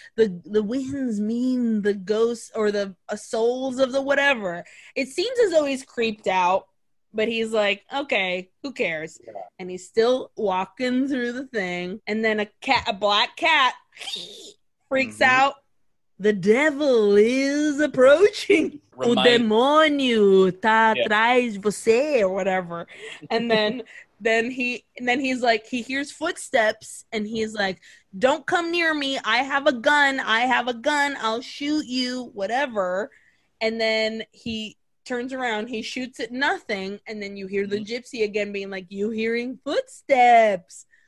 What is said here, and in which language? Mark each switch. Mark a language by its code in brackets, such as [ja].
[en] The winds mean the ghosts or the souls of the whatever. It seems as though he's creeped out, but he's like, okay, who cares? Yeah. And he's still walking through the thing, and then a black cat freaks mm-hmm. out. The devil is approaching. [pt] O demônio tá atrás de você, [en] or whatever. And then he's like, he hears footsteps and he's like, don't come near me. I have a gun. I'll shoot you, whatever. And then he turns around, he shoots at nothing. And then you hear the gypsy again being like, you hearing footsteps.